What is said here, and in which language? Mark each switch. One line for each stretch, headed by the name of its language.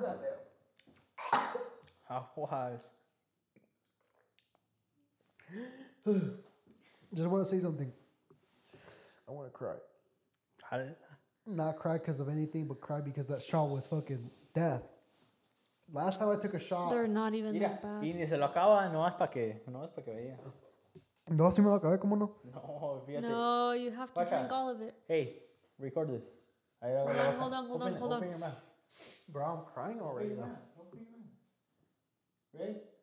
English: goddamn. How wise. Just want to say something. I want to cry. How did I? Not cry because of anything, but cry because that shot was fucking death. Last time I took a shot. They're not even
Spanish: mira,
English: that bad.
Spanish: Y ni se lo acaba, no más pa que veía. No, si me lo acabé, ¿cómo no? No, fíjate.
English: No, you have to drink all of it. Hey, record this. Hold on. Open your mouth. Bro, I'm crying already, though. Ready?